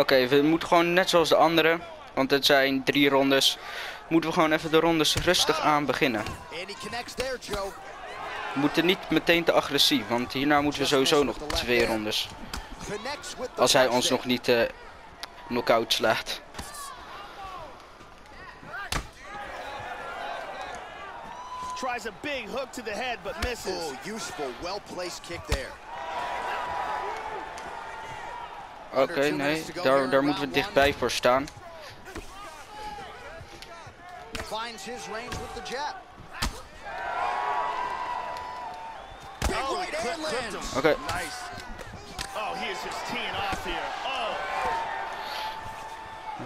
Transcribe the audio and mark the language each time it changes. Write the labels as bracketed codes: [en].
[nl] Oké, we moeten gewoon net zoals de anderen, want het zijn drie rondes, moeten we gewoon even de rondes rustig aan beginnen. [en] And he connects there, Joe. [nl] We moeten niet meteen te agressief, want hierna moeten we sowieso nog twee rondes. Als hij ons nog niet knock-out slaat. [en] Tries a big hook to the head, but misses. Oh, useful, well-placed kick there. [nl] Okay, nee, daar moeten we dichtbij voor staan. [en] Finds his range with the jab. Big right hand lands. Okay. Nice. Oh, he is just teeing off here. Oh.